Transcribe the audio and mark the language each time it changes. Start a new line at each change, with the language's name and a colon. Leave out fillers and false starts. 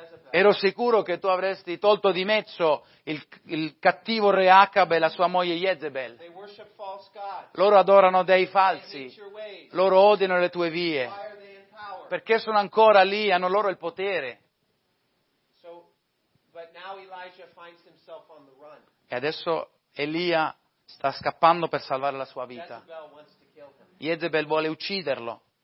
Italian: Ero sicuro che tu avresti tolto di mezzo il cattivo re Acab e la sua moglie Jezebel. Loro adorano dei falsi. Loro odiano le tue vie. Perché sono ancora lì, hanno loro il potere.
English: So, but now Elijah finds himself on the run.
Italian: E adesso Elia sta scappando per salvare la sua vita. Jezebel vuole ucciderlo.